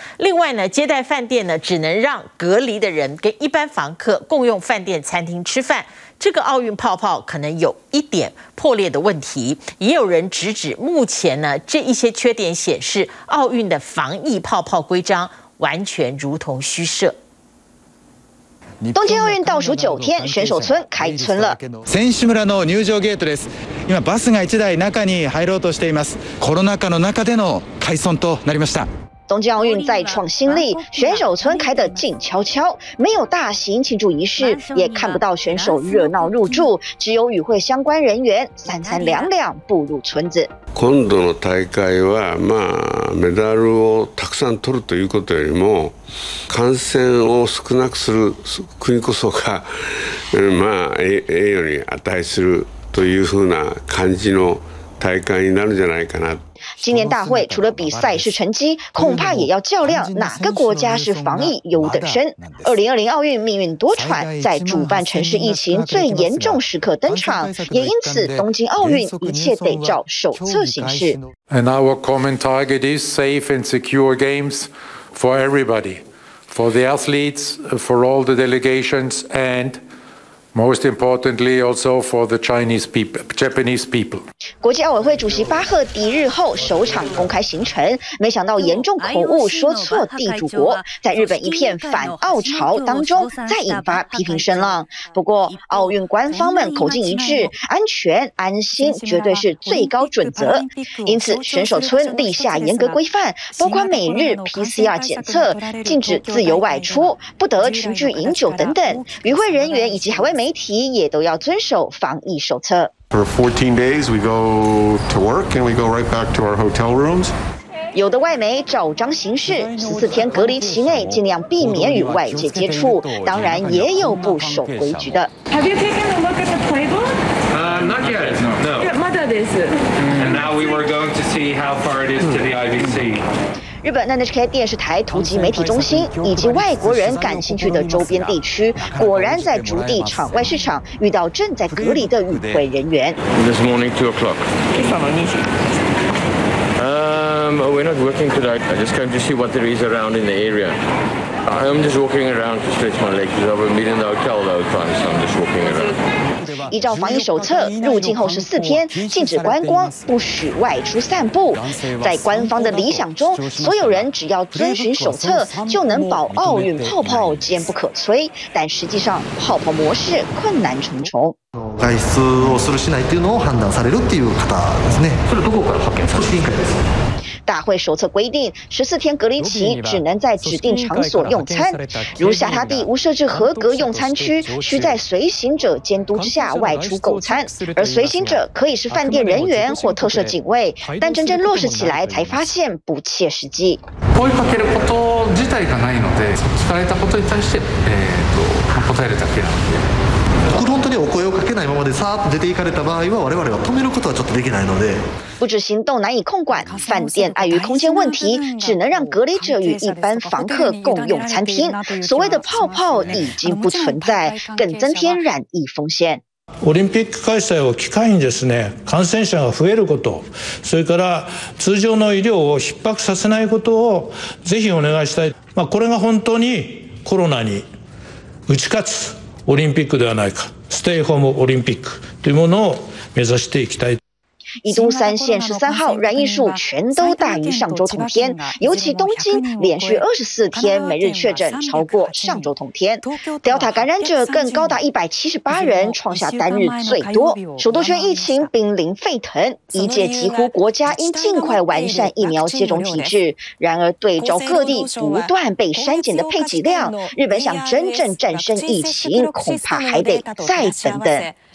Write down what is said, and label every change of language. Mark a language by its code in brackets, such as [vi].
[zh] 另外呢，接待饭店呢只能让隔离的人跟一般房客共用饭店餐厅吃饭，这个奥运泡泡可能有一点破裂的问题。也有人直指目前呢这一些缺点显示奥运的防疫泡泡规章完全如同虚设。东京奥运倒数9天，选手村开村了。 [ja] 選手村の入場ゲートです。今バスが1台中に入ろうとしています。コロナ禍の中での開村となりました。 [zh] 东京奥运再创新历，选手村开得静悄悄，没有大型庆祝仪式，也看不到选手热闹入住，只有与会相关人员三三两两步入村子。 [ja] 今度の大会は、まあ、メダルをたくさん取るということよりも、感染を少なくする国こそが、まあ、栄誉に値するというふうな感じの大会になるんじゃないかな。 [zh] 今年大会除了比赛事成绩，恐怕也要较量哪个国家是防疫优等生。 2020奥运命运多舛，在主办城市疫情最严重时刻登场，也因此东京奥运一切得照手册行事。 [en] And our common target is safe and secure games for everybody, for the athletes, for all the delegations, and most importantly also for the Chinese people, Japanese people. [zh] 国际奥委会主席巴赫抵日后首场公开行程，没想到严重口误，说错地主国，在日本一片反澳潮当中再引发批评声浪。不过奥运官方们口径一致，安全安心绝对是最高准则，因此选手村立下严格规范，包括每日 PCR 检测、禁止自由外出、不得群聚饮酒等等，与会人员以及海外媒体也都要遵守防疫手册。 [en] For 14 days, we go to work and we go right back to our hotel rooms. [zh] 有的外媒照章行事，14天隔离期内尽量避免与外界接触。当然，也有不守规矩的。 [en] Have you taken a look at the playbook? Not yet. No. Yeah, [ja] まだです。 [en] And now we were going to see how far it is to the IBC. [zh] 日本 NHK 电视台图集媒体中心以及外国人感兴趣的周边地区，果然在竹地场外市场遇到正在隔离的与会人员。 [en] This morning 2 o'clock. We're not working today. I just came to see what there is around in the area. I'm just walking around to stretch my legs. I've been meeting the hotel all the time, so I'm just walking around. [zh] 依照防疫手册，入境后14天禁止观光，不许外出散步。在官方的理想中，所有人只要遵循手册，就能保奥运泡泡坚不可摧。但实际上，泡泡模式困难重重。 [ja] 外出をするしないというのを判断されるっていう方ですね。それどこから発見されたんですか？ [zh] 大会手册规定14天隔离期只能在指定场所用餐，如下榻地无设置合格用餐区，需在随行者监督之下外出购餐，而随行者可以是饭店人员或特赦警卫，但真正落实起来才发现不切实际。 [ja] 声をかけること自体がないので、聞かれたことに対して、答えるだけなので。お声をかけないままでさーっと出て行かれた場合は、我々は止めることはちょっとできないので。 [zh] 不止行動難以控管，饭店碍于空间问题，只能让隔离者与一般房客共用餐厅。所谓的泡泡已经不存在，更增添染疫风险。 [ja] オリンピック開催を機会にですね、感染者が増えること、それから通常の医療を逼迫させないことをぜひお願いしたい。まあ、これが本当にコロナに打ち勝つオリンピックではないか。ステイホームオリンピックというものを目指していきたい。 [zh] 一都三县13号染疫数全都大于上周同天，尤其东京连续24天每日确诊超过上周同天， Delta 感染者更高达178人，创下单日最多。首都圈疫情濒临沸腾，医界疾呼国家应尽快完善疫苗接种体制，然而对照各地不断被删减的配给量，日本想真正战胜疫情恐怕还得再等等。